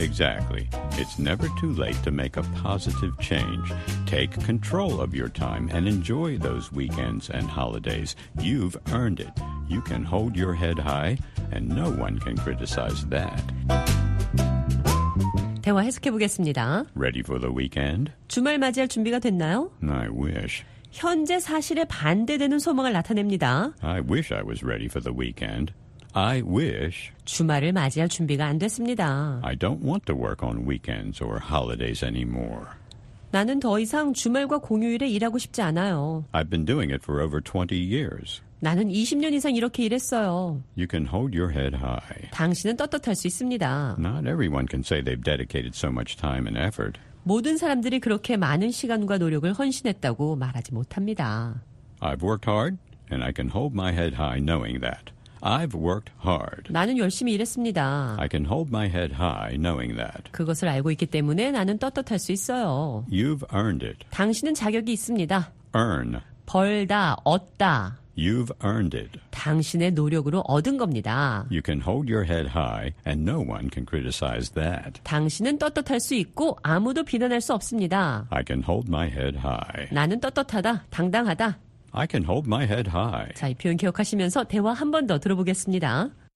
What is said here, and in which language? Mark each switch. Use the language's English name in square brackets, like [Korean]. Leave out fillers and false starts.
[English] Exactly. It's never too late to make a positive change. Take control of your time and enjoy those weekends and holidays. You've earned it. You can hold your head high, and no one can criticize that. [Korean] 대화 해석해 보겠습니다. [English] Ready for the weekend? [Korean] 주말 맞이할 준비가 됐나요? [English] I wish. [Korean] 현재 사실에 반대되는 소망을 나타냅니다. [English] I wish I was ready for the weekend. I wish [Korean] 주말을 맞이할 준비가 안 됐습니다. [English] I don't want to work on weekends or holidays anymore. [Korean] 나는 더 이상 주말과 공휴일에 일하고 싶지 않아요. [English] I've been doing it for over 20 years. [Korean] 나는 20년 이상 이렇게 일했어요. [English] You can hold your head high. [Korean] 당신은 떳떳할 수 있습니다. [English] Not everyone can say they've dedicated so much time and effort. [Korean] 모든 사람들이 그렇게 많은 시간과 노력을 헌신했다고 말하지 못합니다. [English] I've worked hard and I can hold my head high knowing that. I've worked hard. [Korean] 나는 열심히 일했습니다. [English] I can hold my head high knowing that. [Korean] 그것을 알고 있기 때문에 나는 떳떳할 수 있어요. [English] You've earned it. [Korean] 당신은 자격이 있습니다. [English] Earn. [Korean] 벌다, 얻다. [English] You've earned it. [Korean] 당신의 노력으로 얻은 겁니다. [English] You can hold your head high and no one can criticize that. [Korean] 당신은 떳떳할 수 있고 아무도 비난할 수 없습니다. [English] I can hold my head high. [Korean] 나는 떳떳하다, 당당하다. [English] I can hold my head high. [Korean] 자, 이 표현 기억하시면서 대화 한 번 더 들어보겠습니다.